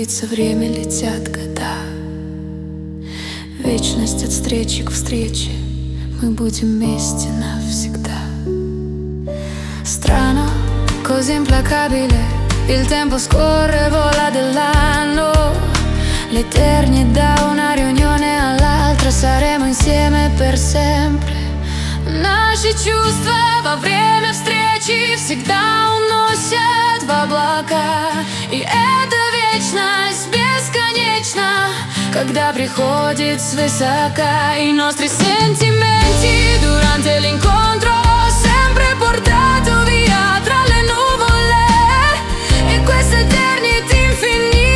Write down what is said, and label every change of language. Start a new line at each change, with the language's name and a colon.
Russian: Время летят года, вечность от встречи к встрече, мы будем вместе навсегда.
Italian: Strano, così implacabile, il tempo scorre, vola dell'anno. L'eternità da una riunione all'altra, saremo insieme per sempre.
Russian: Наши чувства во время встречи всегда уносят в облака. И это вечность бесконечна, когда приходит свысока.
Italian: И nostri sentimenti durante l'incontro sempre portato via tra le nuvole. E questa eternità infinita.